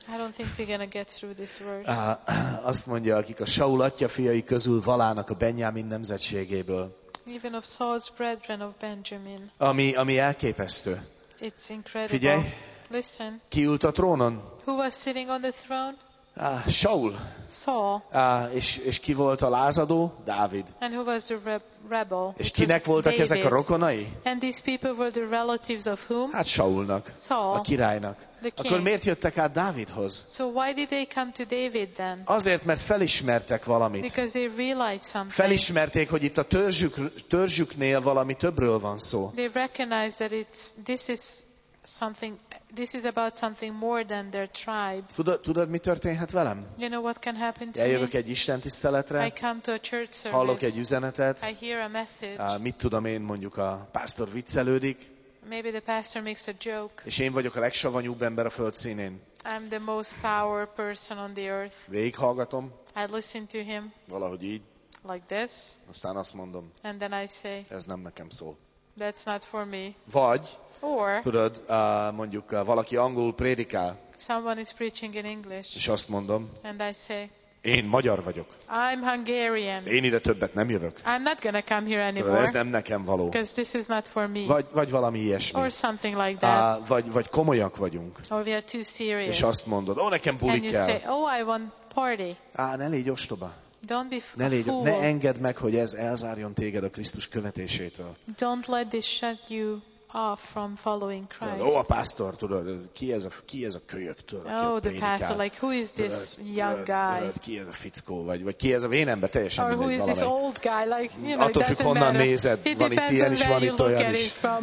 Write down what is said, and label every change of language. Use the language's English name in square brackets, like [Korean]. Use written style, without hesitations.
[English] I don't think we're gonna get through this verse. [Hungarian] Azt mondja, akik a Saul atya fiai közül valának a Benjamin nemzetségéből. [English] Even of Saul's brethren of Benjamin. [Hungarian] Ami elképesztő. [English] It's incredible. [Hungarian] Figyelj. [English] Listen. [Hungarian] Ki ült a trónon? [English] Who was sitting on the throne? [Hungarian] Saul. [English] Saul. [Hungarian] És ki volt a lázadó? Dávid. [English] And who was the rebel? [Hungarian] És kinek voltak [English] David. [Hungarian] Ezek a rokonai? [English] And these people were the relatives of whom? [Hungarian] Hát Saulnak. [English] Saul. [Hungarian] A királynak. [English] The king. [Hungarian] Akkor miért jöttek át Dávidhoz? [English] So why did they come to David then? [Hungarian] Azért, mert felismertek valamit. [English] Because they realized something. [Hungarian] Felismerték, hogy itt a törzsüknél valami többről van szó. [English] They recognized that this is about something more than their tribe. [Hungarian] Tudod mi történhet velem? [English] You know what can happen to [Hungarian] eljövök egy istentiszteletre. [English] I come to a church service. [Hungarian] Hallok egy üzenetet. [English] I hear a message. [Hungarian] Mit tudom én, mondjuk a pásztor viccelődik. [English] Maybe the pastor makes a joke. [Hungarian] És én vagyok a legsavanyúbb ember a földszínén. [English] I'm the most sour person on the earth. [Hungarian] Végighallgatom. [English] I listen to him. [Hungarian] Valahogy így. [English] Like this. [Hungarian] Aztán azt mondom. [English] And then I say. [Hungarian] Ez nem nekem szól. [English] That's not for me. [Hungarian] Vagy. [English] Or, [Hungarian] tudod, mondjuk valaki angolul prédikál. [English] Someone is preaching in English. [Hungarian] És azt mondom. [English] And I say. [Hungarian] Én magyar vagyok. [English] I'm Hungarian. [Hungarian] Én ide többet nem jövök. [English] I'm not gonna come here anymore. [Hungarian] Ez nem nekem való. [English] Because this is not for me. [Hungarian] Vagy valami ilyesmi. [English] Or something like that. [Hungarian] Vagy komolyak vagyunk. [English] Or we are too serious. [Hungarian] És azt mondod, nekem buli kell. [English] And you say, I want party. [Hungarian] Ne légy ostoba. [English] Don't be fool. [Hungarian] Ne engedd meg, hogy ez elzárjon téged a Krisztus követésétől. [English] Don't let this shut you off from following Christ. [Hungarian] A pastor, tudod, ki ez a kölyöktől, aki prédikál. [English] Oh, the pastor, like who is this young guy? [Hungarian] Ki ez a fickó, vagy ki ez a vénember, teljesen mindegy. [English] Or who is this old guy? Like, you know, [Hungarian] attól függ, honnan nézed, van itt ilyen is, van itt olyan is.